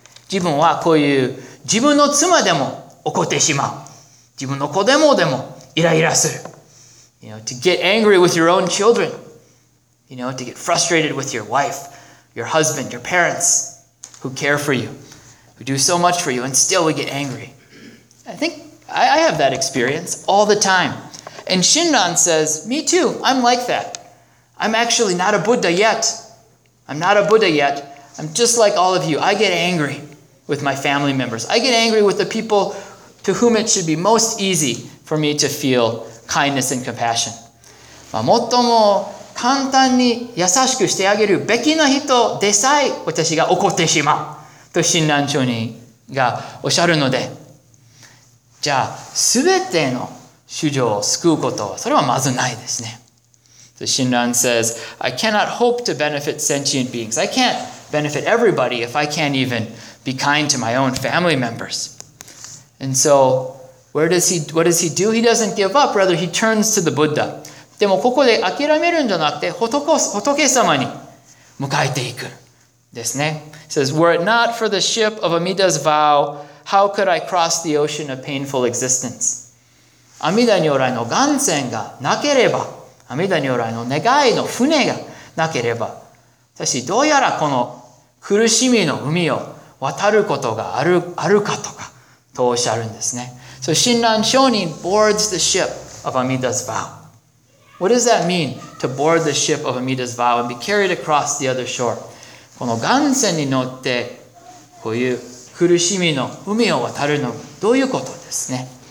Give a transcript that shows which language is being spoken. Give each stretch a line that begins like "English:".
Japanese: 自分はこういう自分の妻でも怒ってしまう。自分の子でもでもイライラする。
English: You know, to get angry with your own children. You know, to get frustrated with your wife, your husband, your parents who care for you, who do so much for you, and still we get angry. I think I have that experience all the time. And Shinran says, me too, I'm like that. I'm actually not a Buddha yet. I'm not a Buddha yet. I'm just like all of you. I get angry with my family members. I get angry with the peopleTo whom it should be most easy for me to feel kindness and compassion.
Japanese: まあ、最も簡単に優しくしてあげるべきな人でさえ私が怒ってしまうと親鸞聖人がおっしゃるので、じゃあ全ての衆生を救うことはそれはまずないですね。
English: So Shinran says, I cannot hope to benefit sentient beings. I can't benefit everybody if I can't even be kind to my own family members. And so, what does he do? He doesn't give up, rather he turns to the Buddha.
Japanese: でもここで諦めるんじゃなくて仏様に向かえていくですね。
English: He says, were it not for the ship of Amida's vow, how could I cross the ocean of painful existence?
Japanese: 阿弥陀如来の願船がなければ、阿弥陀如来の願いの船がなければ、私どうやらこの苦しみの海を渡ることがあるかとか、とおっしゃるんですね。
English: So, Shinran Shonin boards the ship of Amida's vow. What does that mean to board the ship of Amida's vow and be carried across the other shore?
Japanese: この岩船に乗って、こういう苦しみの海を渡るの、どういうことですね。